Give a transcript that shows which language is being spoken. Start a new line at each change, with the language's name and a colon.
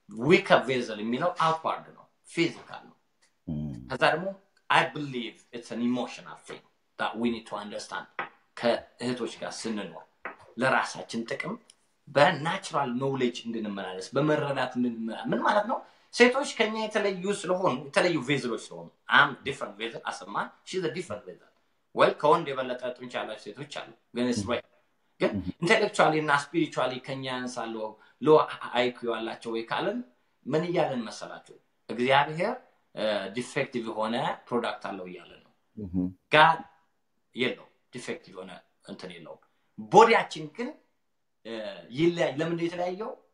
Amharic: ዊክ ቬዘል የሚለው አውትዋርድ ነው፣ ፊዚካል ነው። ከዛ ደግሞ
English: አይ ብሊቭ ኢትስ አን ኢሞሽናል ቲንግ that we need to understand
Amharic: ከእህቶች ጋር ስንኖር ለራሳችን ጥቅም በnatural knowledge እንድንመላለስ በመረዳት እንድንመላ ምን ማለት ነው? ሴቶች ከኛ የተለዩ ስለሆኑ
English: የተለዩ ቬዘሎች ስለሆኑ I'm different vessel as a man, she's a different vessel.
Amharic: Well, ከወንድ የበለጠ ጡንቻ ያላቸው ሴቶች አሉ። ግን
English: it's right.
Amharic: ግን intellectually እና spiritually ከኛ ያንሳሉ low IQ ያላቸው ወይ ካልን ምን እያለን መሰላቸው? እግዚአብሔር defective የሆነ ፕሮዳክት አለው እያለን ነው። ጋር የለው ዲፌክቲቭ የሆነ እንትን የለው። ቦዲያችን ግን ይለያይ። ለምንድ የተለያየው?